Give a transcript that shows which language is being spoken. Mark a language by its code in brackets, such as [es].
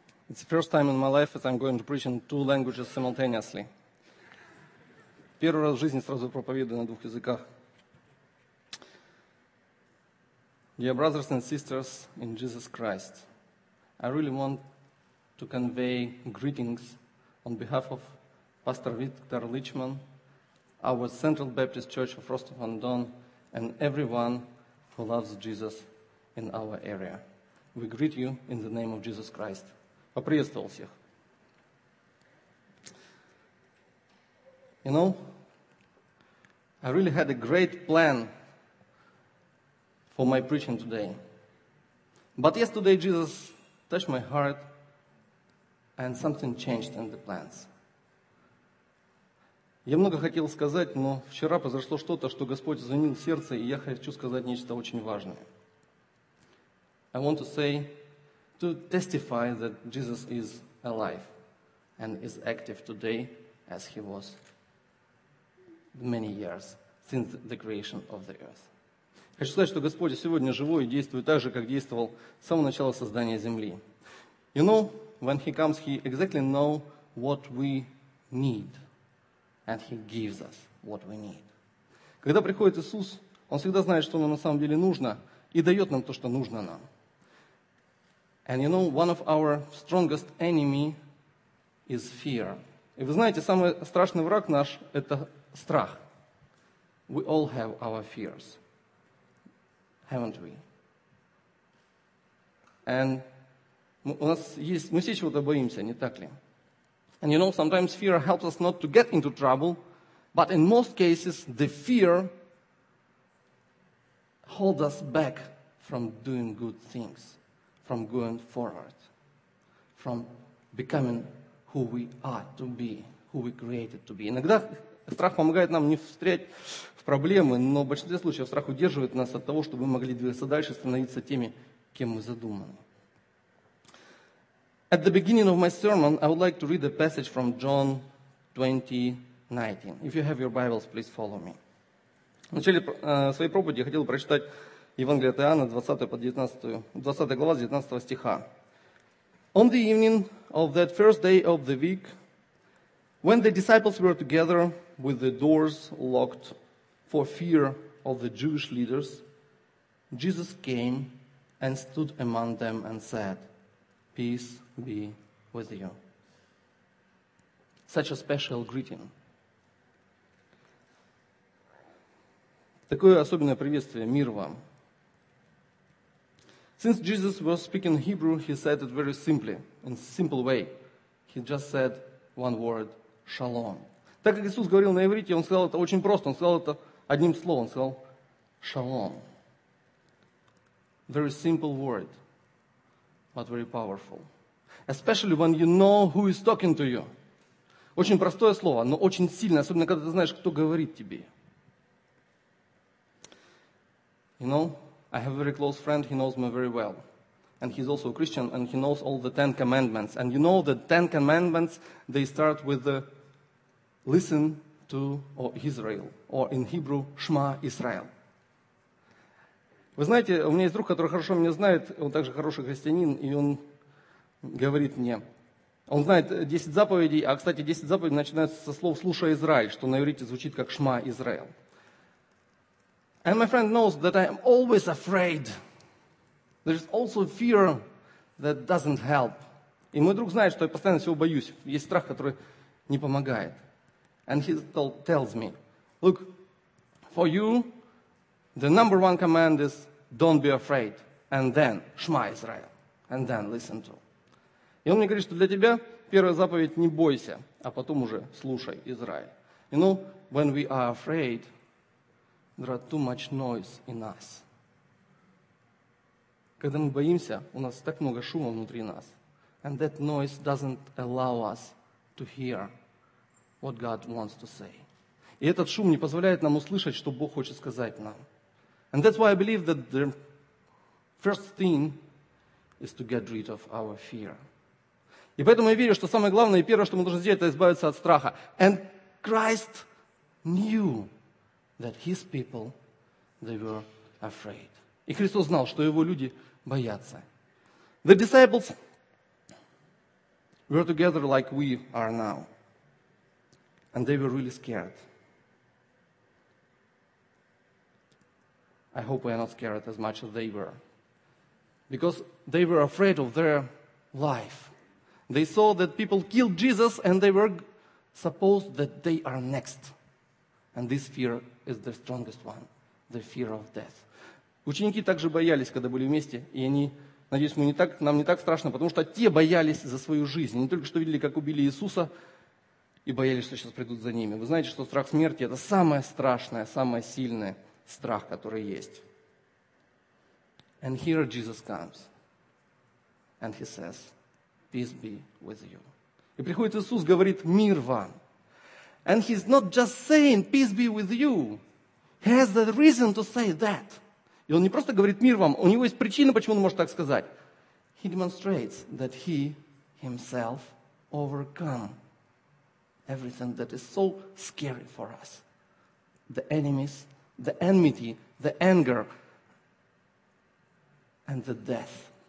[en] It's the first time in my life that I'm going to preach in two languages simultaneously. [ru] Первый раз в жизни сразу проповедую на двух языках. [en] Dear brothers and sisters in Jesus Christ, I really want to convey greetings on behalf of Pastor Victor Lichman, our Central Baptist Church of Rostov-on-Don, and everyone who loves Jesus in our area. We greet you in the name of Jesus Christ. [ru] Поприветствовал всех. [en] You know, I really had a great plan for my preaching today. But yesterday Jesus touched my heart and something changed in the plans. [ru] Я много хотел сказать, но вчера произошло что-то, что Господь изменил сердце, и я хочу сказать нечто очень важное. [en] I want to say, to testify that Jesus is alive and is active today as he was many years since the creation of the earth. [ru] Хочу сказать, что Господь сегодня живой и действует так же, как действовал с самого начала создания земли. [en] You know, when he comes, he exactly knows what we need. And he gives us what we need. [ru] Когда приходит Иисус, он всегда знает, что нам на самом деле нужно, и дает нам то, что нужно нам. [en] And you know, one of our strongest enemy is fear. [ru] И вы знаете, самый страшный враг наш – это страх. [en] We all have our fears, haven't we? And [ru] у нас есть, мы все чего-то боимся, не так ли? [en] And you know, sometimes fear helps us not to get into trouble, but in most cases, the fear holds us back from doing good things, from going forward, from becoming who we are to be, who we created to be. [ru] Иногда страх помогает нам не встрять в проблемы, но в большинстве случаев страх удерживает нас от того, чтобы мы могли двигаться дальше, становиться теми, кем мы задуманы. [en] At the beginning of my sermon, I would like to read a passage from John 20:19. If you have your Bibles, please follow me. [ru] В начале своей проповеди я хотел прочитать Евангелие от Иоанна, 20 глава, 19 стиха. [en] On the evening of that first day of the week, when the disciples were together with the doors locked for fear of the Jewish leaders, Jesus came and stood among them and said, Peace be with you. Such a special greeting. [ru] Такое особенное приветствие. Мир вам. [en] Since Jesus was speaking Hebrew, he said it very simply, in simple way. He just said one word, shalom. [ru] Так как Иисус говорил на иврите, он сказал это очень просто. Он сказал это одним словом. Он сказал shalom. [en] Very simple word, but very powerful. Especially when you know who is talking to you. [ru] Очень простое слово, но очень сильное, особенно когда ты знаешь, кто говорит тебе. [en] You know, I have a very close friend, he knows me very well. And he's also a Christian, and he knows all the Ten Commandments. And you know, the Ten Commandments, they start with the listen to or Israel, or in Hebrew, Shema Israel. [ru] Вы знаете, у меня есть друг, который хорошо меня знает, он также хороший христианин, и он говорит мне. Он знает 10 заповедей, а, кстати, 10 заповедей начинаются со слов «слушай, Израиль», что на иврите звучит как «шма, Израиль». [en] And my friend knows that I am always afraid. There is also fear that doesn't help. [ru] И мой друг знает, что я постоянно всего боюсь. Есть страх, который не помогает. [en] And he tells me, look, for you, the number one command is don't be afraid. And then, «шма, Израиль». And then, listen to. [ru] И он мне говорит, что для тебя первая заповедь – не бойся, а потом уже слушай, Израиль. [en] You know, when we are afraid, there are too much noise in us. [ru] Когда мы боимся, у нас так много шума внутри нас. [en] And that noise doesn't allow us to hear what God wants to say. [ru] И этот шум не позволяет нам услышать, что Бог хочет сказать нам. [en] And that's why I believe that the first thing is to get rid of our fear. [ru] И поэтому я верю, что самое главное и первое, что мы должны сделать, это избавиться от страха. [en] And Christ knew that his people, they were afraid. [ru] И Христос знал, что его люди боятся. [en] The disciples, were together like we are now. And they were really scared. I hope we are not scared as much as they were. Because they were afraid of their life. They saw that people killed Jesus and they were supposed that they are next. And this fear is the strongest one. The fear of death. [ru] Ученики также боялись, когда были вместе, и они, надеюсь, нам не так страшно, потому что те боялись за свою жизнь. Они только что видели, как убили Иисуса, и боялись, что сейчас придут за ними. Вы знаете, что страх смерти – это самое страшное, самое сильное страх, который есть. [en] And here Jesus comes, and he says, "Peace be with you." [ru] И приходит Иисус, говорит: "Мир вам." [en] And he's not just saying, "Peace be with you." He has the reason to say that. [ru] И он не просто говорит мир вам, у него есть причина, почему он может так сказать. [en] He demonstrates that he himself overcome everything that is so scary for us. The enemies, the enmity, the anger, and the death.